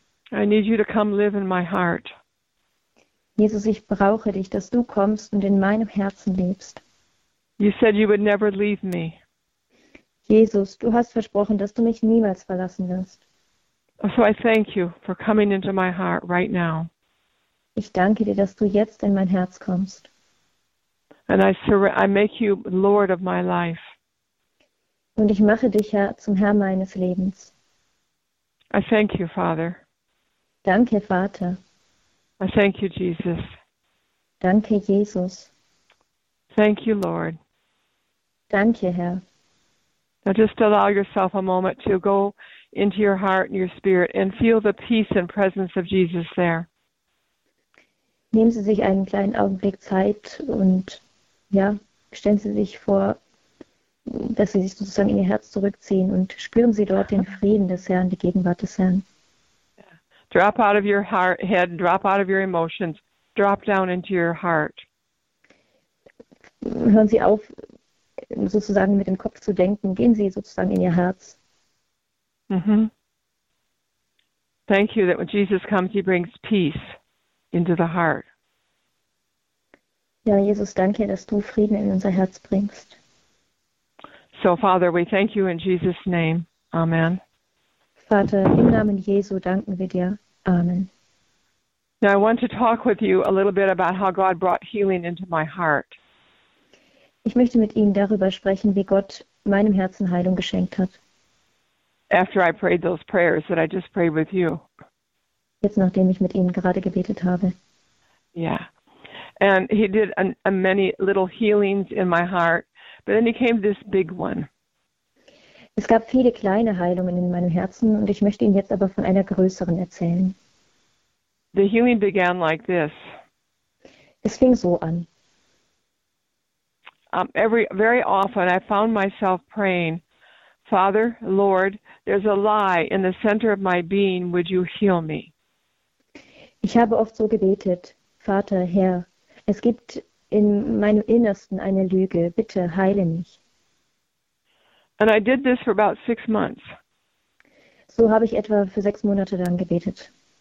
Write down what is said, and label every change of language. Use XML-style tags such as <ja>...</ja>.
<en>I need you to come live in my heart.</en> <de>Jesus, ich brauche dich, dass du kommst und in meinem Herzen lebst.</de> <en>You said you would never leave me.</en> <de>Jesus, du hast versprochen, dass du mich niemals verlassen wirst.</de> <en>So I thank you for coming into my heart right now.</en> <de>Ich danke dir, dass du jetzt in mein Herz kommst.</de> <en>And I make you Lord of my life.</en> <de>Und ich mache dich ja zum Herr meines Lebens.</de> <en>I thank you, Father.</en> <de>Danke, Vater.</de> <en>I thank you, Jesus.</en> <de>Danke, Jesus.</de> <en>Thank you, Lord.</en> <de>Danke, Herr.</de> <en>Now just allow yourself a moment to go into your heart and your spirit and feel the peace and presence of Jesus there.</en> <de>Nehmen Sie sich einen kleinen Augenblick Zeit und ja, stellen Sie sich vor, dass Sie sich sozusagen in Ihr Herz zurückziehen und spüren Sie dort den Frieden des Herrn, die Gegenwart des Herrn.</de> <en>Drop out of your heart, head, drop out of your emotions, drop down into your heart.</en> <de>hören Sie auf, sozusagen mit dem Kopf zu denken. Gehen Sie sozusagen in Ihr Herz.</de> <en>Thank you that when Jesus comes, he brings peace into the heart.</en> <de>Ja, Jesus, danke, dass du Frieden in unser Herz bringst.</de> <en>So, Father, we thank you in Jesus' name. Amen.</en> <de>Vater, im Namen Jesu danken wir dir. Amen.</de> <en>Now I want to talk with you a little bit about how God brought healing into my heart.</en> <de>Ich möchte mit Ihnen darüber sprechen, wie Gott meinem Herzen Heilung geschenkt hat.</de> <en>After I prayed those prayers that I just prayed with you.</en> <de>Jetzt nachdem ich mit Ihnen gerade gebetet habe.</de> <en>Yeah. And he did a many little healings in my heart, but then he came to this big one.</en> <de>Es gab viele kleine Heilungen in meinem Herzen und ich möchte Ihnen jetzt aber von einer größeren erzählen.</de> <en>The healing began like this.</en> <de>Es fing so an.</de> <en>Very often I found myself praying, Father, Lord, there's a lie in the center of my being, would you heal me?</en> <de>Ich habe oft so gebetet, Vater, Herr, es gibt in meinem Innersten eine Lüge, bitte heile mich.</de> <en>And I did this for about 6 months.</en> <de>So habe ich etwa für 6 Monate lang gebetet.</de>